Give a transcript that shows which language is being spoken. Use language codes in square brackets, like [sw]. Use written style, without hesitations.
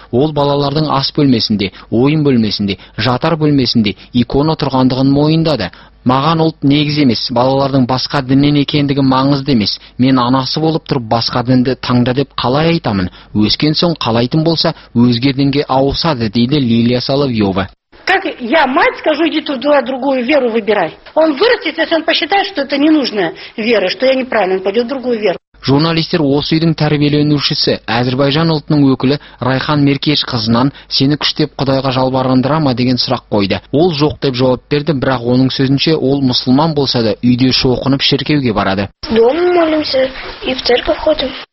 [kk] Ол балалардың ас бөлмесінде, ойын бөлмесінде, жатар бөлмесінде икона тұрғандығын мойындады. Маған ұлт негіз емес, балалардың басқа діннен екендігі маңызды емес. Мен анасы болып тұрып басқа дінді таңда деп қалай айтамын? Өскен соң қалайтын болса, өзге дінге ауысады дейді Лилия Соловьева. [ru] Как я, мать, скажу, иди туда другую веру выбирай. Он вырастет, если он посчитает, что это ненужная вера, что я неправильно, пойдет другую веру. [kk] Журналистер осы үйдің тәрбиеленушісі Әзірбайжан ұлтының өкілі Райхан Меркеш қызынан сені күштеп құдайға жалбарындыра ма деген сұрақ қойды. Ол жоқ деп жауап берді, бірақ оның сөзінше ол мұсылман болса да үйде шоқынып шіркеуге барады. Домын мөлімсі, ептер көп қойдым.